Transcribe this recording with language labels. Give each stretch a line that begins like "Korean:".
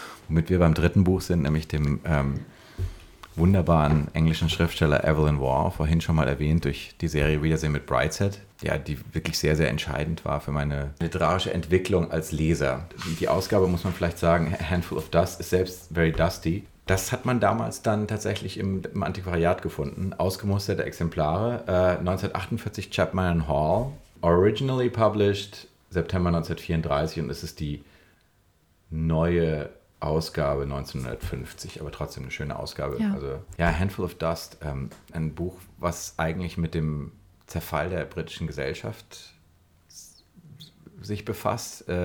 German: Womit wir beim dritten Buch sind, nämlich dem wunderbaren englischen Schriftsteller Evelyn Waugh, vorhin schon mal erwähnt durch die Serie Wiedersehen mit Brideshead, ja, die wirklich sehr, sehr entscheidend war für meine literarische Entwicklung als Leser. Die Ausgabe, muss man vielleicht sagen, A Handful of Dust, ist selbst
English: very dusty.
German: Das hat man damals dann tatsächlich im Antiquariat gefunden. Ausgemusterte Exemplare. 1948 Chapman and Hall.
English: Originally published September 1934.
German: Und es ist die neue Ausgabe 1950. Aber trotzdem eine schöne Ausgabe. Ja. Also, ja, A Handful of Dust. Ein Buch, was eigentlich mit dem Zerfall der britischen Gesellschaft sich befasst.